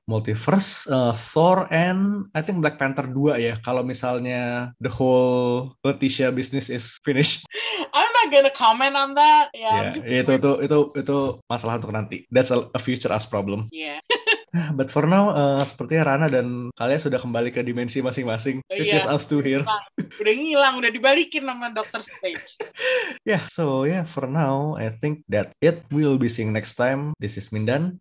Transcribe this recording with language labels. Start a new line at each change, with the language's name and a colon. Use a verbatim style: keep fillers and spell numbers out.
English: Multiverse, uh, Thor and I think Black Panther two ya.
Indonesian: Kalau misalnya
English: the whole Leticia business is finished. I'm not gonna comment on that. Yeah,
Indonesian: yeah itu, itu itu itu masalah untuk nanti.
English: That's a, a future us problem. Yeah. But for now,
Indonesian: uh, sepertinya Rana dan kalian sudah kembali ke dimensi masing-masing.
English: Oh, It's yeah. just us two here.
Indonesian: Udah ngilang, udah dibalikin sama Doctor Strange.
English: Yeah, so yeah, for now, I think that it. We'll be seeing next time. This is Mindan.